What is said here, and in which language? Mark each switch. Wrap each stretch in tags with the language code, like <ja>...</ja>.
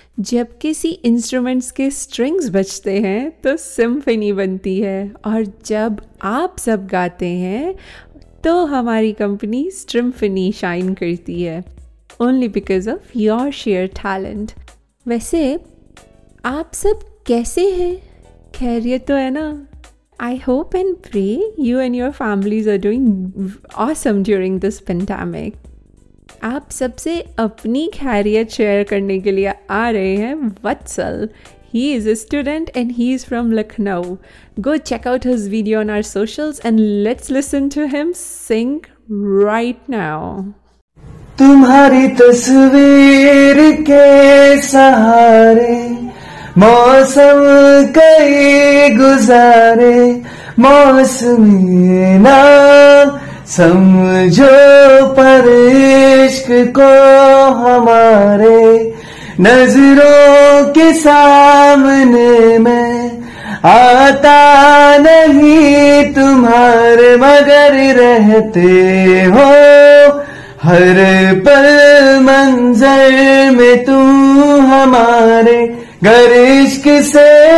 <hi>जब किसी instruments के strings बजते हैं तो symphony बनती है, और जब आप सब गाते हैं तो हमारी company Strymphony shine करती है,</hi> <en>only because of your sheer talent.</en> <hi>वैसे आप सब कैसे हैं, खैरियत तो है ना?</hi> <en>I hope and pray you and your families are doing awesome during this pandemic.</en> <hi>आप सबसे अपनी खैरियत शेयर करने के लिए आ रहे हैं वत्सल.</hi> <en>He is a student and he is from Lucknow. Go check out his video on our socials and let's listen to him sing right now.</en> <hi>तुम्हारी तस्वीर के सहारे मौसम कई गुजारे, मौसमी ना समझो पर इश्क को हमारे, नजरों के सामने में आता नहीं तुम्हारे, मगर रहते हो हर पल मंजर में तुम हमारे, गरिश किसे</hi>